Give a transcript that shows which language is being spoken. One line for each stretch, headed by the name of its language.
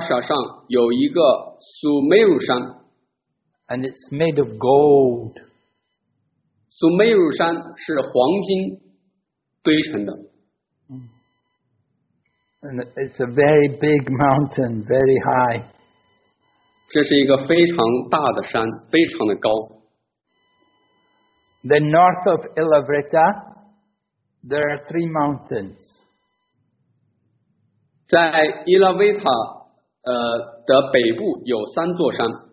Chinese: 在伊拉维塔瓦沙上有一个苏梅鲁山。
English: And it's made of gold.
Chinese: 苏梅鲁山是黄金堆成的。
English: And it's a very big mountain, very high.
Chinese: 这是一个非常大的山，非常的高。
English: Then north of Ilavrita, there are three mountains.
Chinese: 在伊拉维塔的北部有三座山。